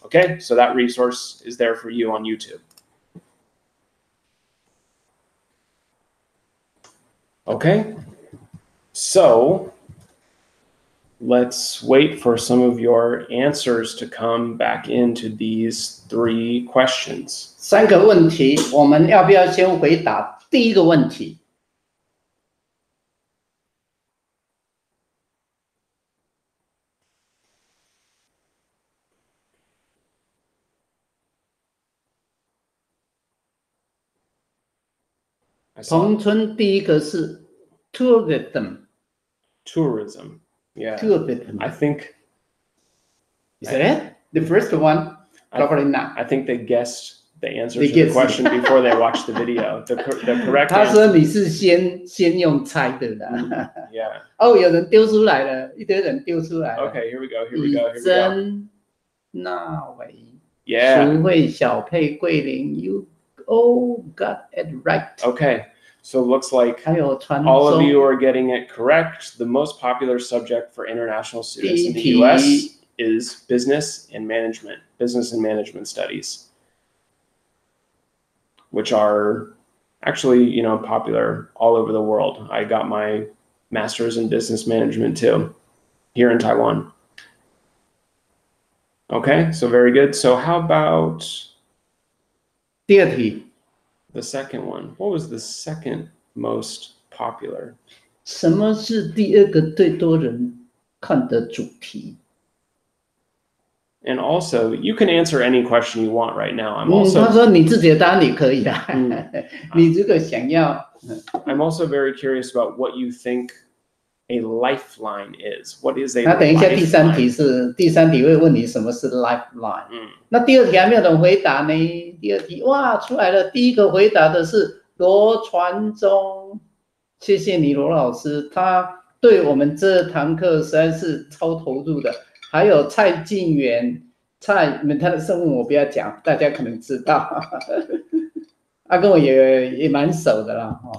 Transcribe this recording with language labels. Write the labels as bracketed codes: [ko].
[en] Okay, so that resource is there for you on YouTube. Okay, so let's wait for some of your answers to come back into these three questions. [zh] 3个问题，我们要不要先回答第一个问题？同村第一个是 tourism。 [en] Tourism。 Yeah, tourism. I think. Is that it? The first one? Probably not. I think they guessed the answer to the question before they watched the video. The correct answer. [zh] 他说你是先用猜的啦。 [en] Yeah. [zh] 哦，有人丢出来了，一堆人丢出来了。 [en] Okay, here we go. [zh] 以真纳维。 [en] Yeah. 淑慧、小佩、桂林 ，You all got it right. Okay. So it looks like all of you are getting it correct. The most popular subject for international students in the U.S. is business and management, business and management studies, which are actually, you know, popular all over the world. I got my master's in business management too, here in Taiwan. Okay, so very good. So how about... The second one. What was the second most popular? [zh] 什么是第二个最多人看的主题? [en] And also, you can answer any question you want right now. I'm also. [zh] 他说你自己的答案你可以的。你如果想要。 [en] I'm also very curious about what you think a lifeline is. What is a [zh] lifeline? 那等一下第三题是，第三题会问你什么是 lifeline。那第二题还没有人回答呢。第二题哇出来了，第一个回答的是罗传宗，谢谢你罗老师，他对我们这堂课实在是超投入的。还有蔡静元，蔡，他的身份我不要讲，大家可能知道，他、啊、跟我也蛮熟的啦。